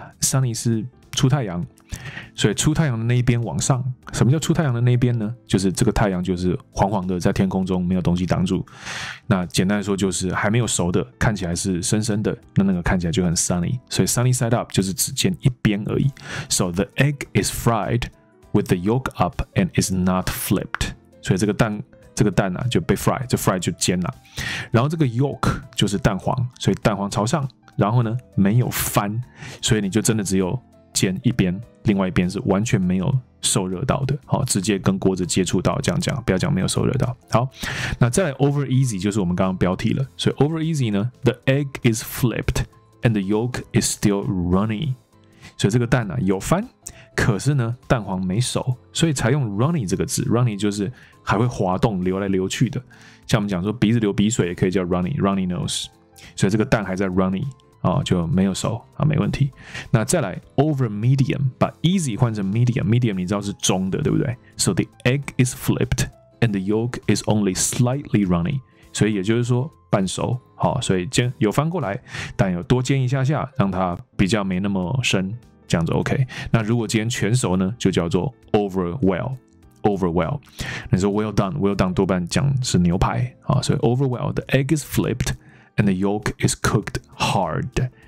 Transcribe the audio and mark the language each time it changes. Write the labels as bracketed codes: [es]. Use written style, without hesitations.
[zh] sunny 是出太阳，所以出太阳的那一边往上。什么叫出太阳的那一边呢？就是这个太阳就是黄黄的在天空中，没有东西挡住。那简单来说就是还没有熟的，看起来是深深的，那个看起来就很 sunny。所以 sunny side up 就是只煎一边而已。 [en] So the egg is fried with the yolk up and is not flipped。 [zh] 所以这个蛋啊就被 fry， 这 fry 就煎了。然后这个 yolk 就是蛋黄，所以蛋黄朝上，然后呢没有翻，所以你就真的只有煎一边，另外一边是完全没有受热到的，直接跟锅子接触到，这样讲，不要讲没有受热到。好，那再来 over easy 就是我们刚刚标题了。所以 over easy 呢， [en] the egg is flipped and the yolk is still runny。 [zh] 所以这个蛋啊有翻，可是呢蛋黄没熟，所以才用 runny 这个字。 runny 就是还会滑动流来流去的，像我们讲说鼻子流鼻水也可以叫 runny， runny nose。所以这个蛋还在 runny就没有熟没问题。那再来 over medium， 把 easy 换成 medium， medium 你知道是中的对不对？ [en] So the egg is flipped and the yolk is only slightly runny。 [zh] 所以也就是说半熟，所以煎有翻过来，但有多煎一下下，让它比较没那么深，这样子 OK。那如果今天全熟呢，就叫做 over well， over well。你说 [en] well done， well done [zh] 多半讲是牛排，所以 [en] over well， the egg is flipped and the yolk is cooked hard。